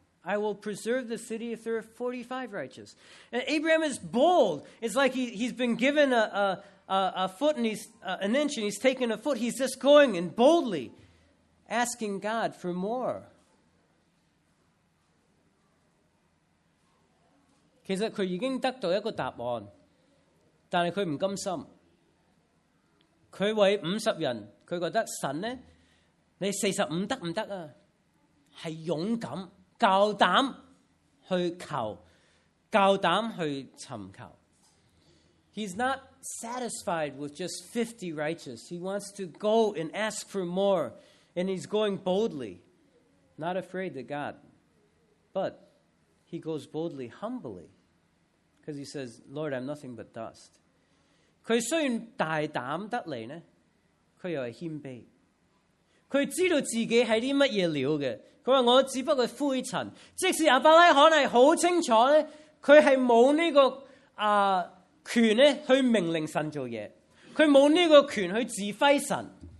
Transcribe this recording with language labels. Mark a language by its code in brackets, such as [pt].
[en] I will preserve the city if there are 45 righteous. And Abraham is bold. It's like he's been given a foot and an inch, and he's taken a foot. He's just going and boldly asking God for more. [zh] 其实他已经得到一个答案，但是他不甘心。他为50人，他觉得神呢，你45得不得啊？是勇敢。夠膽去求，够胆去寻求。 [en] He's not satisfied with just 50 righteous. He wants to go and ask for more. And he's going boldly, not afraid to God. But he goes boldly, humbly. Because he says, Lord, I'm nothing but dust. [zh] 他虽然大胆得来呢，他又是谦卑。他知道自己是什么料的。他说我只不过是灰尘。即使亚伯拉罕是很清楚呢，他是没有这个权去命令神做事，他没有这个权去指挥神。